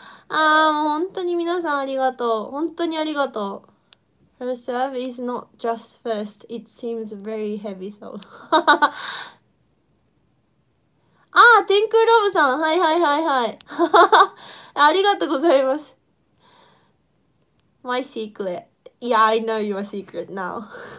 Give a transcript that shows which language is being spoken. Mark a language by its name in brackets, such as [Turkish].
[Japanese] ああ、もう本当に皆さんありがとう。本当にありがとう。 [English] Her serve is not just first. It seems very heavy, so. ああ、 [Japanese] 天空ロブさん、ありがとうございます。 [English] My secret. Yeah, I know your secret now.